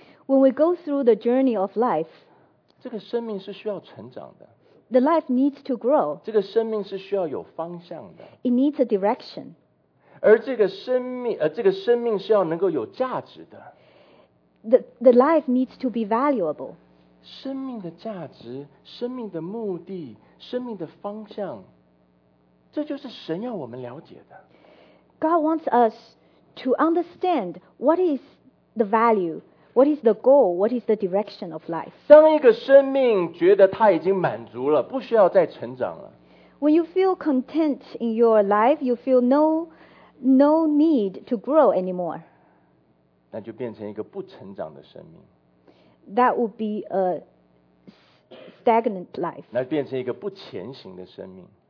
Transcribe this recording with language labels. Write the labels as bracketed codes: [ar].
[en] When we go through the journey of life [zh] 这个生命是需要成长的 [en] The life needs to grow. [zh] 这个生命是需要有方向的。 [en] It needs a direction. [zh] 而这个生命是要能够有价值的。 [en] The life needs to be valuable. [zh] 生命的价值、生命的目的、生命的方向，这就是神要我们了解的。 [en] God wants us to understand what is the value. What is the goal? What is the direction of life? [zh] 当一个生命觉得它已经满足了，不需要再成长了。 [en] When you feel content in your life, you feel no need to grow anymore. [zh] 那就变成一个不成长的生命。 [en] That would be a stagnant life. [zh] 那变成一个不前行的生命。